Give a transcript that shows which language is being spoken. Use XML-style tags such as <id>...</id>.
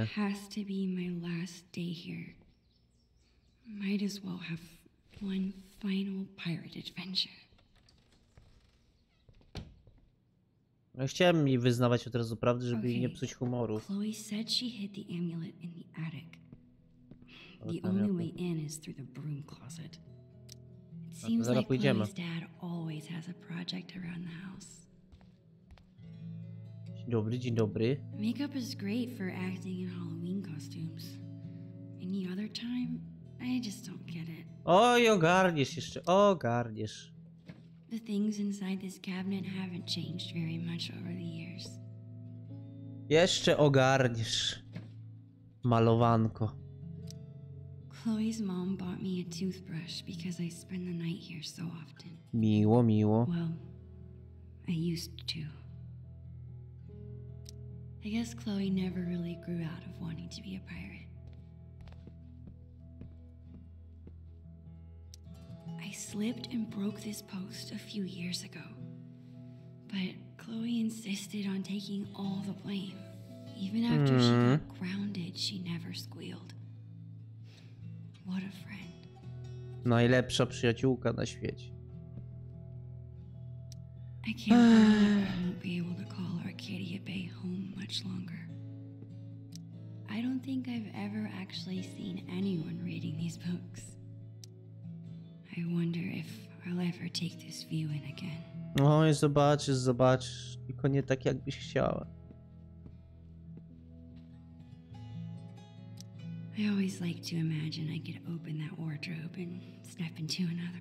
<en>This has to be my last day here. Might as well have one final pirate adventure.</en> <pl>No, chciałem mi wyznawać od razu prawdę, żeby jej nie psuć humoru.</pl> <en>Chloe said she hid the amulet in the attic. The only way in is through the broom closet. It seems like Chloe's dad always has a project around the house.</en> <pl>Dzień dobry.</pl> <en>Makeup is great for acting in Halloween costumes. Any other time, I just don't get it.</en> <pl>Oj, ogarniesz jeszcze, ogarniesz.</pl> <en>The things inside this cabinet haven't changed very much over the years.</en> <pl>Jeszcze ogarniesz, malowanko.</pl> <en>Chloe's mom bought me a toothbrush because I spend the night here so often.</en> <pl>Miło, miło.</pl> <en>Well, I used to. I guess Chloe never really grew out of wanting to be a pirate. I slipped and broke this post a few years ago. But Chloe insisted on taking all the blame. Even after she got grounded, she never squealed. What a friend.</en> <pl>Najlepsza przyjaciółka na świecie.</pl> <en>I can't believe I won't be able to call Arcadia Bay home much longer. I don't think I've ever actually seen anyone reading these books. I wonder if I'll ever take this view in again.</en> <pl>Oj, zobaczysz, tylko nie tak, jakbyś chciała.</pl> <en>I always like to imagine I could open that wardrobe and step into another.</en>